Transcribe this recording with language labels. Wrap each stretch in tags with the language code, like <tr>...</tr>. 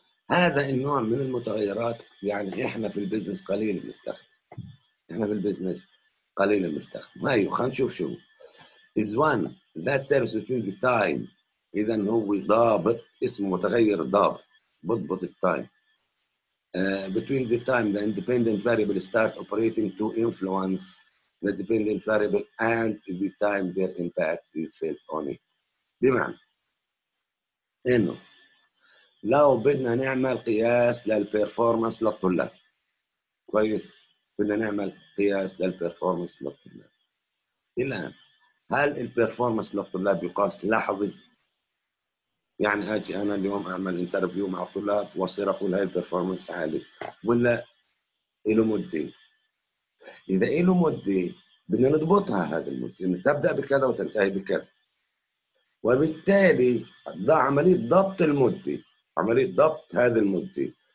<ar>هذا النوع من المتغيرات يعني احنا في البيزنس قليل بنستخدم، احنا في البيزنس قليل بنستخدم. مايو خلينا نشوف شو</ar> <en>is one that serves between the time،</en> <ar>اذا هو ضابط اسمه متغير ضابط بضبط التايم.</ar> <en>Between the time the independent variable start operating to influence the dependent variable and the time their impact is felt on it.</en> <ar>بمعنى إنه لو بدنا نعمل قياس للperformance للطلاب، كويس بدنا نعمل قياس للperformance للطلاب، الآن هل البرفورمانس للطلاب يقاس لاحظي؟ يعني هاجي انا اليوم اعمل انترفيو مع الطلاب واصير اقول هاي البرفورمانس عالي ولا له مده؟ اذا له مده بدنا نضبطها هذا المده، يعني تبدا بكذا وتنتهي بكذا، وبالتالي ضع عمليه ضبط المده، عمليه ضبط هذه المده.</ar>